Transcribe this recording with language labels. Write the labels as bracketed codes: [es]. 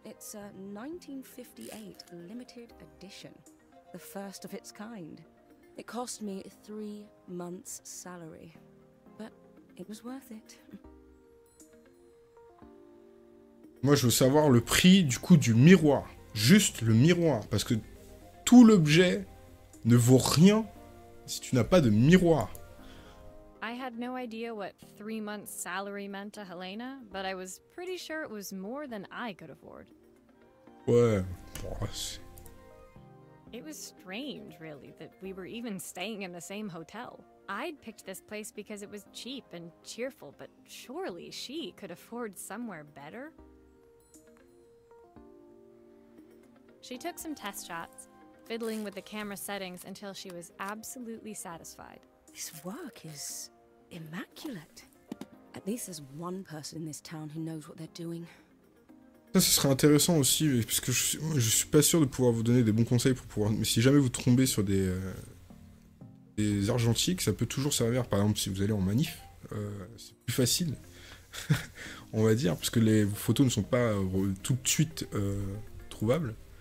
[en] It's a 1958 limited edition, the first of its kind. It cost me 3 months' salary, but it was worth it. [fr] Moi, je veux savoir le prix du coup du miroir. Juste le miroir, parce que tout l'objet ne vaut rien si tu n'as pas de miroir. [en] I had no idea what 3 months' salary meant to Helena, but I was pretty sure it was more than I could afford. [fr] Ouais, boss. [en] It was strange, really, that we were even staying in the same hotel. I'd picked this place because it was cheap and cheerful, but surely she could afford somewhere better? She took some test shots, fiddling with the camera settings until she was absolutely satisfied. This work is immaculate. At least there's one person in this town who knows what they're doing. [fr] Ça, ce serait intéressant aussi, parce que je suis pas sûr de pouvoir vous donner des bons conseils pour pouvoir... Mais si jamais vous tombez sur des argentiques, ça peut toujours servir. Par exemple, si vous allez en manif, c'est plus facile, on va dire, parce que les photos ne sont pas tout de suite trouvables.